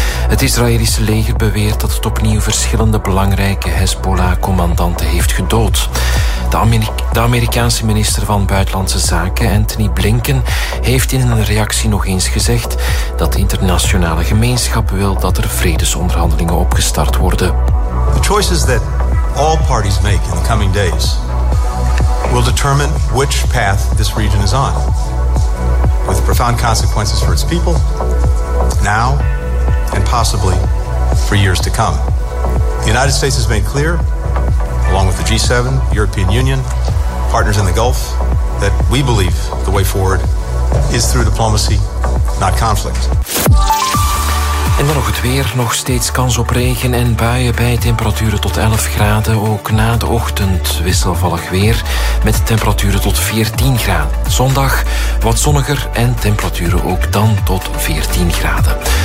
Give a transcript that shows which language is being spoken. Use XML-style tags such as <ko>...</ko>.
<nl>Het Israëlische leger beweert dat het opnieuw verschillende belangrijke Hezbollah-commandanten heeft gedood. De Amerikaanse minister van Buitenlandse Zaken, Antony Blinken, heeft in een reactie nog eens gezegd dat de internationale gemeenschap wil dat er vredesonderhandelingen opgestart worden.</nl> <en>The choices that all parties make in the coming days will determine which path this region is on, with profound consequences for its people, now, and possibly for years to come. The United States has made clear, along with the G7, European Union, partners in the Gulf, that we believe the way forward is through diplomacy, not conflict.</en> <nl>En dan nog het weer, nog steeds kans op regen en buien bij temperaturen tot 11 graden. Ook na de ochtend wisselvallig weer met temperaturen tot 14 graden. Zondag wat zonniger en temperaturen ook dan tot 14 graden.</nl>